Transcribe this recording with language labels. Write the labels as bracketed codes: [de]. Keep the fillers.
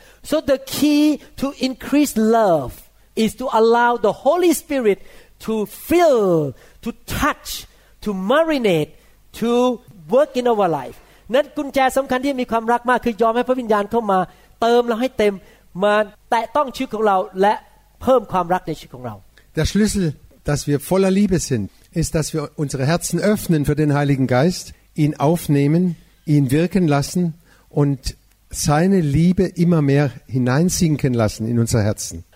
[en] So the key to increase love is to allow the Holy Spirit to fill, to touch, to marinate, to work in our life. [th] นั้นกุญแจสําคัญที่มีความรักมากคือยอมให้พระวิญญาณเข้ามาเติมเราให้เต็มมาแตะต้องชีวิตของเราและเพิ่มความรักในชีวิตของเรา [de] Der Schlüssel, dass wir voller Liebe sind, ist, dass wir unsere Herzen öffnen für den Heiligen Geist, ihn aufnehmen, ihn wirken lassen und seine Liebe immer mehr hineinsinken lassen in unser Herzen.